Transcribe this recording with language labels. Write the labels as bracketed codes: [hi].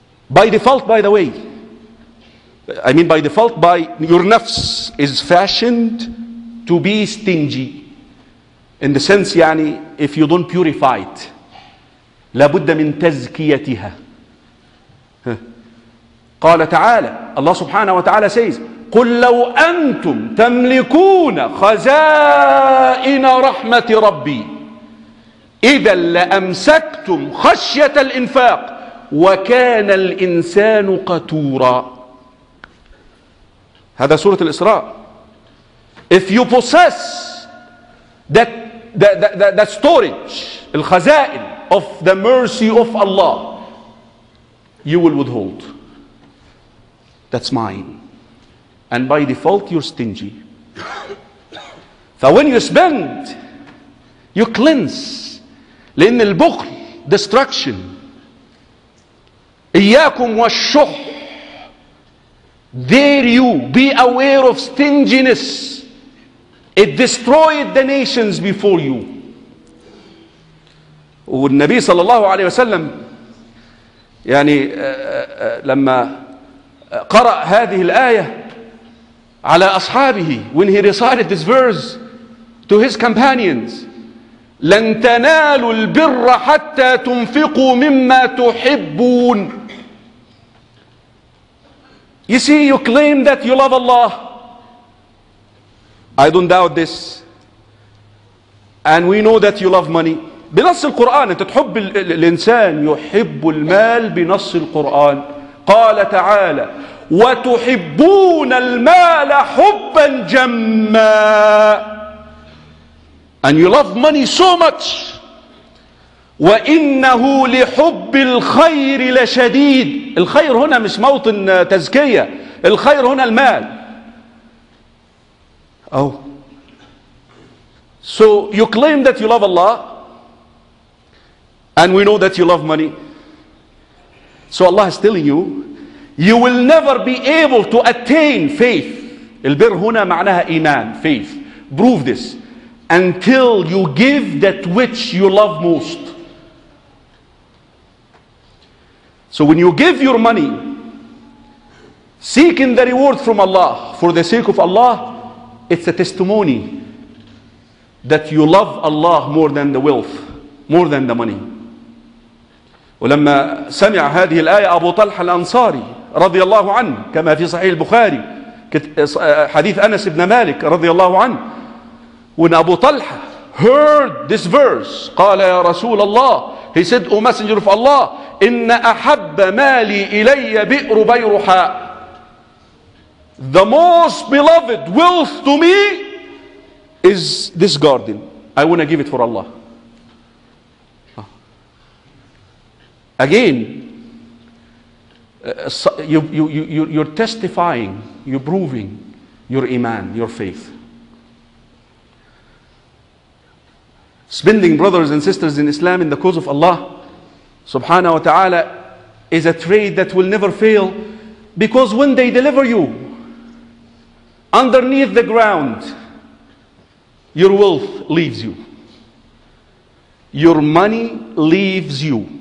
[en] By default, by the way. I mean by default, by your nafs is fashioned to be stingy, in the sense, يعني, if you don't purify it, [ar] لابد من تزكيتها. قال تعالى, Allah سبحانه وتعالى says, قل لو أنتم تملكون خزائن رحمة ربي إذا لأمسكتم خشية الإنفاق وكان الإنسان قتورا. هذا سورة الإسراء. [en] If you possess that storage, الخزائن of the mercy of Allah, you will withhold. That's mine. And by default, you're stingy. So when you spend, you cleanse. [ar] لأن البخل destruction. إياكم والشح. [en] There you be aware of stinginess. It destroyed the nations before you. [ar] والنبي صلى الله عليه وسلم يعني لما قرأ هذه الآية على أصحابه, [en] when he recited this verse to his companions, [ar] لن تنالوا البر حتى تنفقوا مما تحبون. [en] You see, you claim that you love Allah, I don't doubt this, and we know that you love money. [ar] بنص القرآن, أنت تحب الإنسان, يحب المال بنص القرآن. قال تعالى وتحبون المال حبا جما. [en] And you love money so much. [ar] وإنه لحب الخير لشديد. الخير هنا مش موطن تزكية, الخير هنا المال. [en] Oh, so you claim that you love Allah, and we know that you love money. So Allah is telling you, you will never be able to attain faith. [ar] البر هنا معناها إيمان, faith. [en] Prove this. Until you give that which you love most. So when you give your money, seeking the reward from Allah, for the sake of Allah, it's a testimony that you love Allah more than the wealth, more than the money. [ar] ولما سمع هذه الآية أبو طلحة الأنصاري رضي الله عنه كما في صحيح البخاري حديث أنس بن مالك رضي الله عنه, [en] when Abu Talha heard this verse [ar] قال يا رسول الله, [en] he said, O messenger of Allah, [ar] إن أحب مالي إلي بئر بيرحاء, [en] the most beloved wealth to me is this garden, I want to give it for Allah. Again, you're testifying, you're proving your iman, your faith. Spending, brothers and sisters in Islam, in the cause of Allah subhanahu wa ta'ala, is a trade that will never fail, because when they deliver you underneath the ground, your wealth leaves you, your money leaves you.